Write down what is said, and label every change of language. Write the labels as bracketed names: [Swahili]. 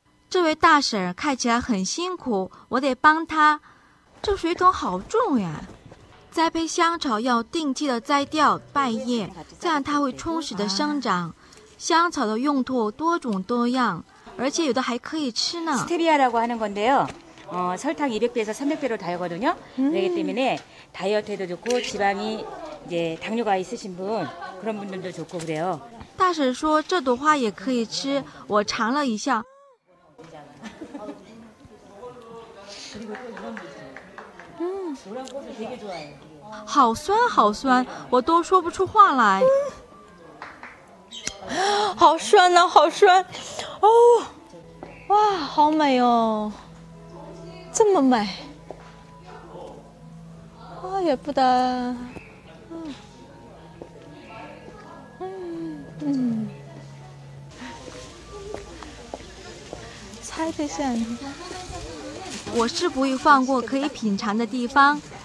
[Chinese] 这位大婶看起来很辛苦我得帮她这水桶好重呀栽培香草要定期的摘掉败叶这样它会充实的生长香草的用途多种多样而且有的还可以吃呢. [Korean] 스테비아라고 하는 건데요. 설탕 200배에서 300배로 달거든요. 그렇기 때문에 다이어트에도 좋고 지방이 이제 당뇨가 있으신 분 그런 분들도 좋고 그래요. [Chinese] 大婶说这朵花也可以吃，我尝了一下。好酸好酸，我都说不出话来。好酸呐，好酸！哦，哇，好美哦，这么美，啊，也不得，嗯，嗯，太香了。我是不会放过可以品尝的地方。